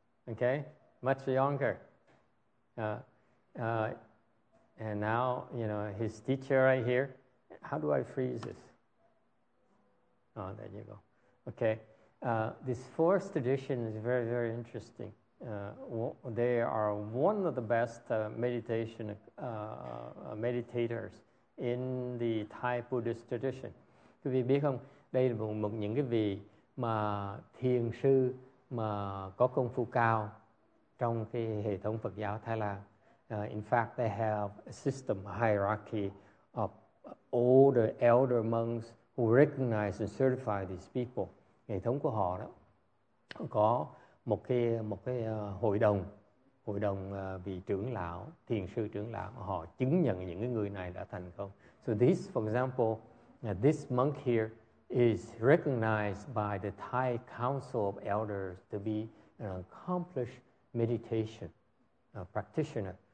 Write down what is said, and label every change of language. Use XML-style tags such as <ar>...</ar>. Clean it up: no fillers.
<en>Okay, much younger. And now, you know, his teacher right here. How do I freeze this? Oh, there you go. Okay, this forest tradition is very, very interesting. They are one of the best meditators in the Thai Buddhist tradition.</en> <vi>Quý vị biết không, đây là một những cái vị mà thiền sư mà có công phu cao trong cái hệ thống Phật giáo Thái Lan.</vi> <en>In fact, they have a system, a hierarchy of older, elder monks who recognize and certify these people.</en> <vi>Hệ thống của họ đó có một cái hội đồng vị trưởng lão, thiền sư trưởng lão, họ chứng nhận những cái người này đã thành công.</vi> <en>So this, for example, this monk here is recognized by the Thai Council of Elders to be an accomplished meditation practitioner.</en>